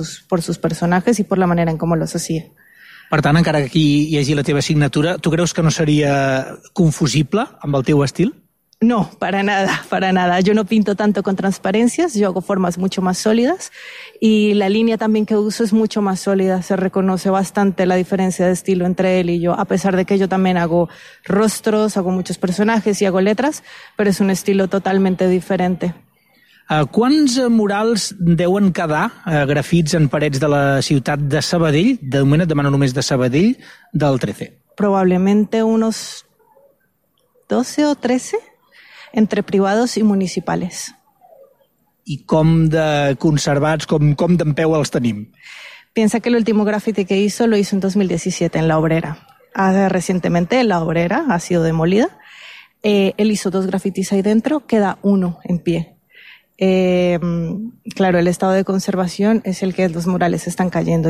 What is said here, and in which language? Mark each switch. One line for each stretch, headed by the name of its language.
Spanish: Por sus personajes y por la manera en cómo los hacía.
Catalan: Per tant, encara que aquí hi hagi la teva signatura, ¿tu creus que no seria confusible amb el teu estil?
Spanish: No, para nada, para nada. Yo no pinto tanto con transparencias, yo hago formas mucho más sólidas y la línea también que uso es mucho más sólida. Se reconoce bastante la diferencia de estilo entre él y yo, a pesar de que yo también hago rostros, hago muchos personajes y hago letras, pero es un estilo totalmente diferente.
Catalan: ¿Quants murals deuen quedar grafits en parets de la ciutat de Sabadell? De moment et demano només de Sabadell, del 13.
Spanish: Probablemente unos 12 o 13. Entre privados y municipales.
Catalan: ¿Y com de conservats, com d'empeu els tenim?
Spanish: Piensa que el último graffiti que hizo lo hizo en 2017 en La Obrera. Recientemente La Obrera ha sido demolida. Él hizo dos grafitis ahí dentro, queda uno en pie. Claro, el estado de conservación es el que los murales están cayendo.